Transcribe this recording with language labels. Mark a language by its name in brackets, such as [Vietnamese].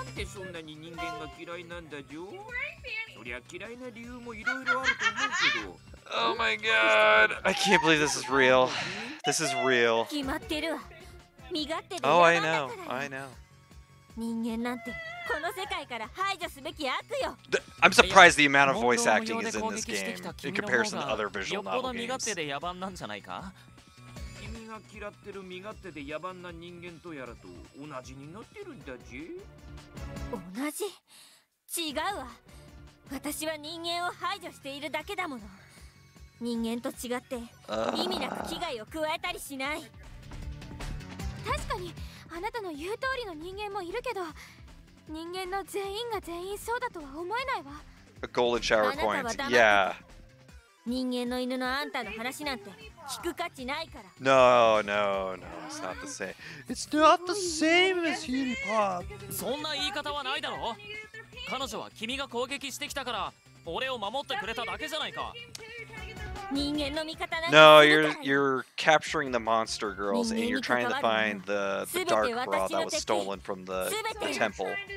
[Japanese] んでそんなに人間が嫌いなんだジョー。そりゃ嫌いな理由もいろいろあると思うけど。 [English] Oh my god! I can't believe this is real. This is real. [Japanese] 決まってるわ。身勝手で。 [English] Oh, I know. I know. [Japanese] 人間なんてこの世界から排除すべき悪よ。 [English] I'm surprised the amount of voice acting is in this game in comparison to other visual novel games. [Japanese] 身勝手で野蛮なんじゃないか。君が嫌ってる身勝手で野蛮な人間とやらと同じになってるんだぜ。同じ？違うわ。私は人間を排除しているだけだもの。人間と違って意味なく危害を加えたりしない。確かにあなたの言う通りの人間もいるけど、人間の全員が全員そうだとは思えないわ。 [English] A golden shower point. Yeah. [Japanese] 人間の犬のあんたの話なんて聞く価値ないから。 [English] No, no, no, it's not the same. It's not the same as Unipop. [Japanese] そんな言い方はないだろ。彼女は君が攻撃してきたから俺を守ってくれただけじゃないか。 [English] No, you're capturing the monster girls and you're trying to find the dark bra that was stolen from the temple.